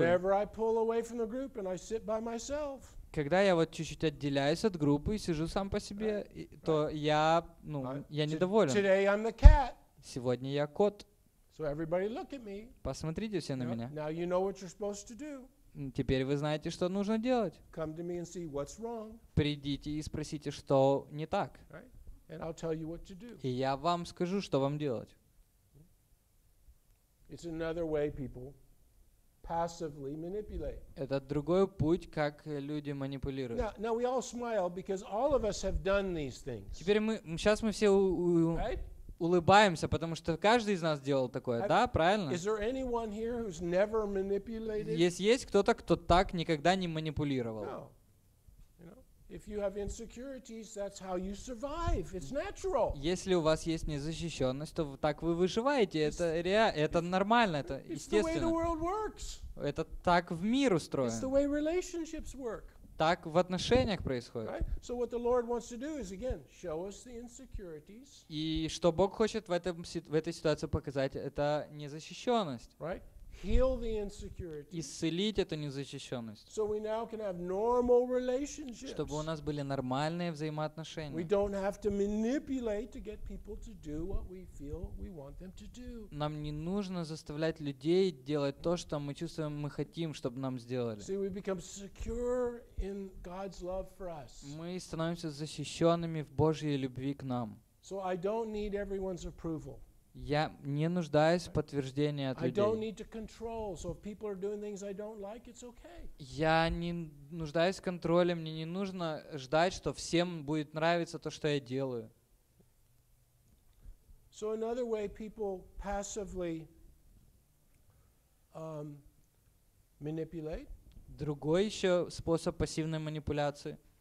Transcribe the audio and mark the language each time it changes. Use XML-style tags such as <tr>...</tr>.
<en>Whenever I pull away from the group and I sit by myself.</en> <ru>Когда я вот чуть-чуть отделяюсь от группы и сижу сам по себе, то я, ну, я недоволен.</ru> <en>Today I'm the cat.</en> <ru>Сегодня я кот.</ru> <en>So everybody look at me.</en> <ru>Посмотрите все на меня.</ru> <en>Now you know what you're supposed to do.</en> <ru>Теперь вы знаете, что нужно делать.</ru> <en>Come to me and see what's wrong.</en> <ru>Придите и спросите, что не так.</ru> <en>Right? And I'll tell you what to do.</en> <ru>И я вам скажу, что вам делать.</ru> <en>It's another way people passively manipulate.</en> <ru>Это другой путь, как люди манипулируют.</ru> <en>Now we all smile because all of us have done these things.</en> <ru>Теперь мы, сейчас мы все улыбаемся, потому что каждый из нас делал такое, да, правильно?</ru> <en>Is there anyone here who's never manipulated?</en> <ru>Есть кто-то, кто так никогда не манипулировал?</ru> <en>No. You know? If you have insecurities, that's how you survive. It's natural.</en> <ru>Если у вас есть незащищенность, то так вы выживаете. Это нормально, это естественно.</ru> <en>It's the way the world works.</en> <ru>Это так в мире устроено.</ru> <en>It's the way relationships work.</en> <ru>Так в отношениях происходит.</ru> <en>Right? So what the Lord wants to do is again show us the insecurities.</en> <ru>И что Бог хочет в этой ситуации показать, это незащищенность.</ru> <en>Right? Heal the insecurity.</en> <ru>Исцелить эту незащищенность.</ru> <en>So we now can have normal relationships.</en> <ru>Чтобы у нас были нормальные взаимоотношения.</ru> <en>We don't have to manipulate to get people to do what we feel we want them to do.</en> <ru>Нам не нужно заставлять людей делать то, что мы чувствуем, мы хотим, чтобы нам сделали.</ru> <en>See, we become secure in God's love for us.</en> <ru>Мы становимся защищенными в Божьей любви к нам.</ru> <en>So I don't need everyone's approval.</en> <ru>Я не нуждаюсь в подтверждении от людей.</ru> <en>I don't need to control. So if people are doing things I don't like, it's okay.</en> <ru>Я не нуждаюсь в контроле, мне не нужно ждать, что всем будет нравиться то, что я делаю.</ru> <en>So another way people passively manipulate.</en> <ru>Другой еще способ пассивной манипуляции.</ru>